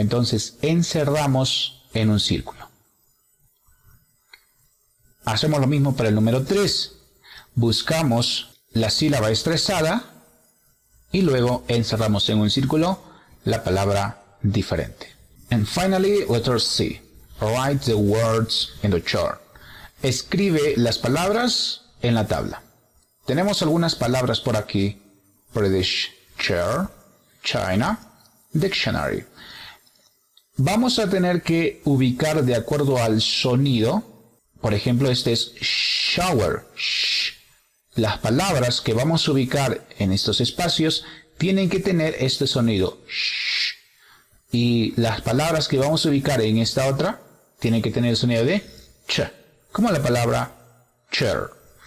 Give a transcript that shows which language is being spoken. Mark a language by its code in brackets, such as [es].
[es] Entonces, encerramos en un círculo. Hacemos lo mismo para el número 3. Buscamos la sílaba estresada y luego encerramos en un círculo la palabra diferente. [en] And finally, letter C. Write the words in the chart. [es] Escribe las palabras en la tabla. Tenemos algunas palabras por aquí. [en] British chair, China, dictionary. [es] Vamos a tener que ubicar de acuerdo al sonido. Por ejemplo, este es shower. Sh. Las palabras que vamos a ubicar en estos espacios tienen que tener este sonido. Sh. Y las palabras que vamos a ubicar en esta otra tienen que tener el sonido de ch. Como la palabra chair.